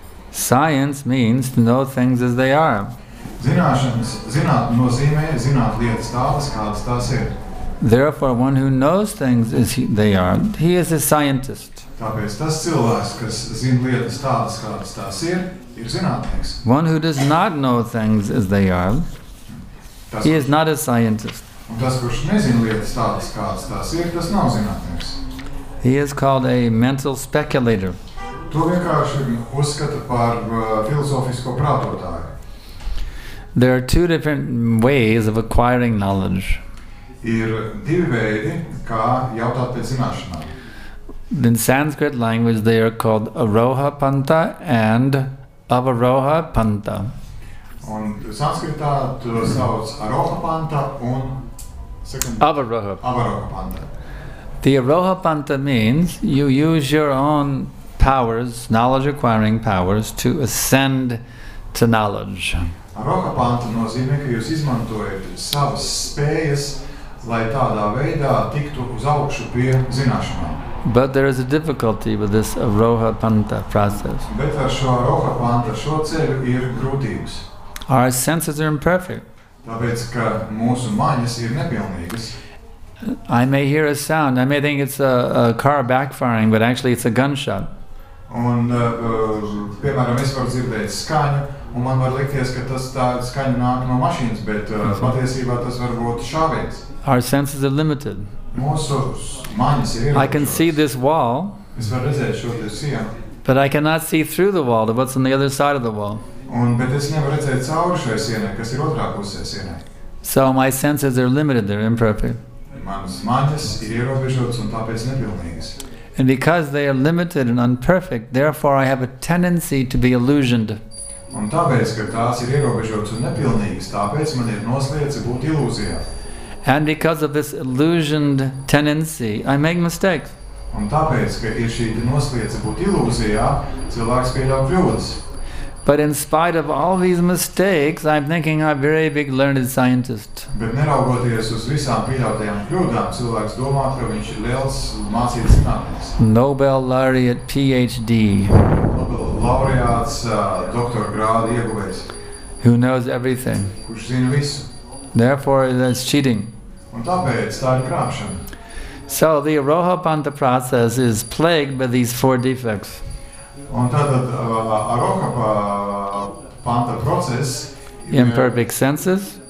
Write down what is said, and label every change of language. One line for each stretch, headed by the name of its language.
English: Science means to know things as they are.
Latvian: Zināšanas, zināt nozīmē, zināt lietas tādas, kādas tās ir.
English: Therefore, one who knows things as they are, he is a scientist.
Latvian: Tāpēc tas cilvēks, kas zina lietas tādas, kādas tās ir zinātnieks.
English: One who does not know things as they are, he is not a scientist.
Latvian: Un tas, kurš nezina lietas tādas, kādas tās ir, tas nav zinātnieks.
English: He is called a mental speculator.
Latvian: To vienkārši uzskata par filozofisko prātotāju.
English: There are two different ways of acquiring knowledge.
Latvian: Ir divi veidi, kā jautāt pēc zināšanām.
English: In Sanskrit language, they are called Aroha Panta and Avaroha Panta.
Latvian: Un Sanskritā to sauc Aroha Panta un Avaroha. Avaroha Panta.
English: The Aroha Panta means you use your own powers, knowledge acquiring powers, to ascend to knowledge.
Latvian: Aroha Panta nozīmē, ka jūs izmantojat savas spējas, lai tādā veidā tiktu uz augšu pie zināšanām.
English: But there is a difficulty with this Aroha Panta process.
Latvian: Bet ar šo Aroha Panta šo ceļu ir grūtības.
English: Our senses are imperfect.
Latvian: Tāpēc, ka mūsu maņas ir nepilnīgas.
English: I may hear a sound, I may think it's a car backfiring, but actually it's a gunshot.
Latvian: Un, piemēram, es varu dzirdēt skaņu, un man var likties, ka tas tā skaņa nāk no mašīnas, bet patiesībā tas var būt šāviens.
English: Our senses are limited.
Latvian: Mūsu maņas ir
English: I can see this wall.
Latvian: Es varu redzēt šo te sienu.
English: But I cannot see through the wall, what's on the other side of the wall.
Latvian: Un, bet es nevaru redzēt cauri šai sienai, kas ir otrā pusē sienai.
English: So my senses are limited, they're imperfect.
Latvian: Manas maņas ir ierobežotas un tāpēc nepilnīgas.
English: And because they are limited and unperfect, therefore I have a tendency to be illusioned.
Latvian: Un tāpēc, ka tās ir ierobežotas un nepilnīgas, tāpēc man ir noslēdze būt ilūzijā.
English: And because of this illusioned tendency, I make mistakes.
Latvian: Un tāpēc, ka ir šī noslieca būt ilūzijā, cilvēks pieļauj kļūdas.
English: But in spite of all these mistakes, I'm thinking I'm a very big learned scientist.
Latvian: Bet neraugoties uz visām pieļautajām kļūdām, cilvēks domā, ka viņš ir liels mācīts zinātnieks.
English: Nobel laureate PhD.
Latvian: Laureāts doktor grādu ieguvējs.
English: Who knows everything.
Latvian: Kurš zina visu.
English: Therefore, that's cheating.
Latvian: Un tāpēc tā ir krāpšana.
English: So the Arohapanta process is plagued by these four defects.
Latvian: Un tātad Arohapanta process
English: imperfect senses.